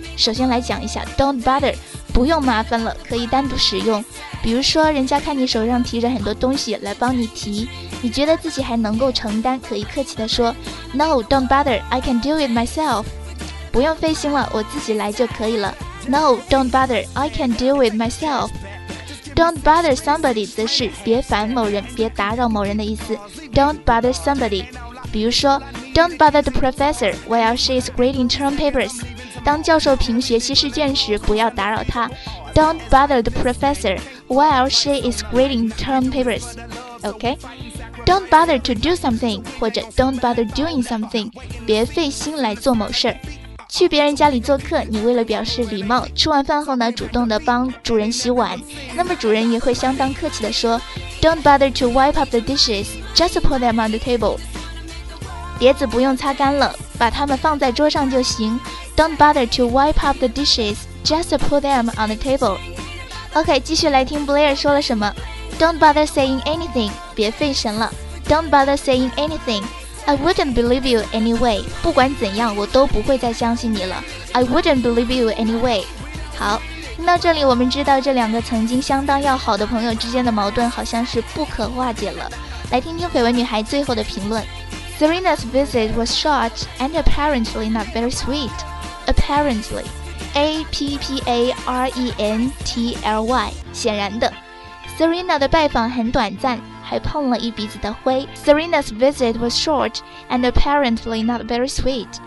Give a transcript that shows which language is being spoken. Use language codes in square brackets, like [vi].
[zh] 首先来讲一下 [en] Don't bother, [zh] 不用麻烦了，可以单独使用。比如说人家看你手上提着很多东西来帮你提，你觉得自己还能够承担，可以客气地说 [en] No, don't bother, I can do it myself. [zh] 不用费心了，我自己来就可以了。 [en] No, don't bother, I can do it myself. Don't bother somebody [zh] 则是别烦某人，别打扰某人的意思。 [en] Don't bother somebody. [zh] 比如说 [en] Don't bother the professor while she is grading term papers. [zh] 当教授评学期试卷时，不要打扰他。 [en] Don't bother the professor while she is grading term papers. Okay? Don't bother to do something, 或者 don't bother doing something. [zh] 别费心来做某事。去别人家里做客，你为了表示礼貌，吃完饭后呢，主动地帮主人洗碗。那么主人也会相当客气地说 [en] Don't bother to wipe up the dishes, just put them on the table. [zh] 碟子不用擦干了，把它们放在桌上就行。 [en] Don't bother to wipe up the dishes, just put them on the table. [zh] OK, 继续来听 Blair 说了什么。 [en] Don't bother saying anything, [zh] 别费神了。 [en] Don't bother saying anything, I wouldn't believe you anyway. [zh] 不管怎样，我都不会再相信你了。 [en] I wouldn't believe you anyway. [zh] 好，那这里我们知道这两个曾经相当要好的朋友之间的矛盾好像是不可化解了。来听听绯闻女孩最后的评论。 [en] Serena's visit was short and apparently not very sweet. Apparently, A-P-P-A-R-E-N-T-L-Y, [zh] 显然的。 Serena 的拜访很短暂，还碰了一鼻子的灰。 [en] Serena's visit was short and apparently not very sweet.